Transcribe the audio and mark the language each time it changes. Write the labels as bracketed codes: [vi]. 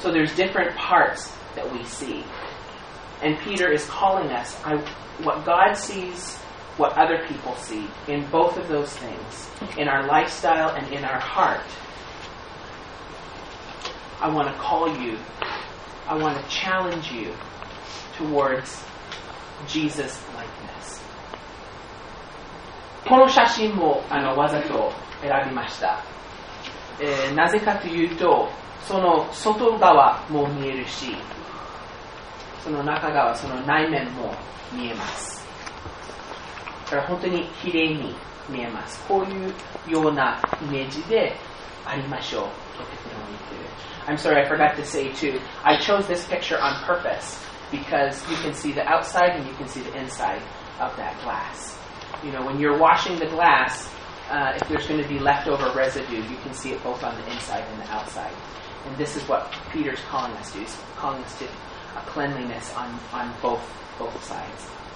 [en] So there's different parts that we see. And Peter is calling us, what God sees, what other people see, in both of those things, in our lifestyle and in our heart, I want to call you, I want to challenge you towards Jesus' likeness. [ja] この写真もわざと選びました。なぜかというと、その外側も見えるし、その中側、その内面も見えます。だから本当に綺麗に見えます。こういうようなイメージでありましょう。とてもいい。 [en] I'm sorry, I forgot to say too. I chose this picture on purpose because you can see the outside and you can see the inside of that glass. You know, when you're washing the glass, if there's going to be leftover residue, you can see it both on the inside and the outside. And this is what Peter's calling us to. He's calling us to. Cleanliness on both sides.